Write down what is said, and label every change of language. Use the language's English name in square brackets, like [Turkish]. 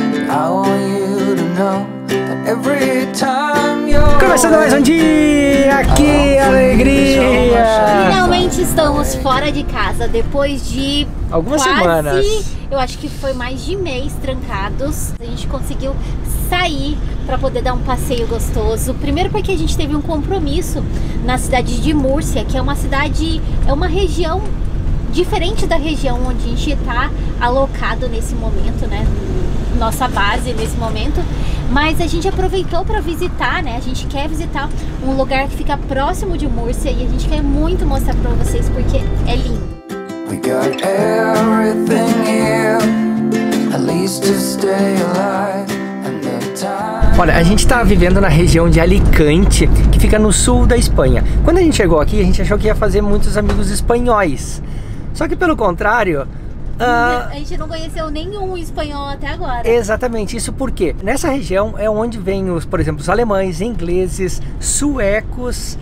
[English] I want you to know that every time you're. [Portuguese] Começando mais um dia! Que alegria! Finalmente estamos fora de casa depois de. Algumas semanas. Eu acho que foi mais de mês trancados. A gente conseguiu sair para poder dar um passeio gostoso. Primeiro porque a gente teve um compromisso na cidade de Múrcia, que é uma cidade, é uma região diferente da região onde a gente está alocado nesse momento, né? Nossa base nesse momento. Mas a gente aproveitou para visitar, né? A gente quer visitar um lugar que fica próximo de Múrcia e a gente quer muito mostrar para vocês porque é lindo. [English] We got everything here, at least to stay alive. [Portuguese] Olha, a gente tá vivendo na região de Alicante, que fica no sul da Espanha. Quando a gente chegou aqui, a gente achou que ia fazer muitos amigos espanhóis. Só que pelo contrário... A gente não conheceu nenhum espanhol até agora. Exatamente, isso porque nessa região é onde vem, os, por exemplo, os alemães, ingleses, suecos...